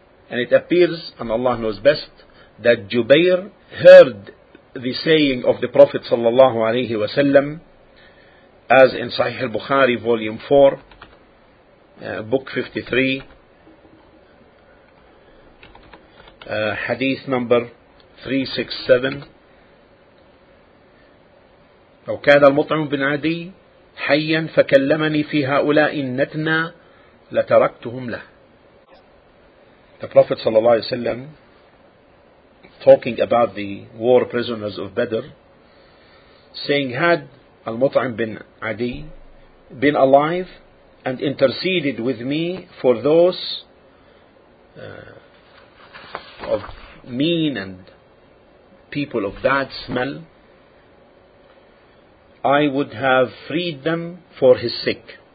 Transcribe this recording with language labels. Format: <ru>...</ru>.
<en>And it appears, and Allah knows best, that Jubair heard the saying of the Prophet sallallahu alayhi wasallam, as in Sahih al-Bukhari, volume 4, book 53, hadith number 367.</en> <ar>لو كان المطعم بن عدي حيا فكلمني في هؤلاء النتنى لتركتهم له.</ar> <en>The Prophet sallallahu alayhi wasallam, talking about the war prisoners of Badr, saying, had Al-Mut'im bin Adi been alive and interceded with me for those of mean and people of bad smell, I would have freed them for his sake.</en>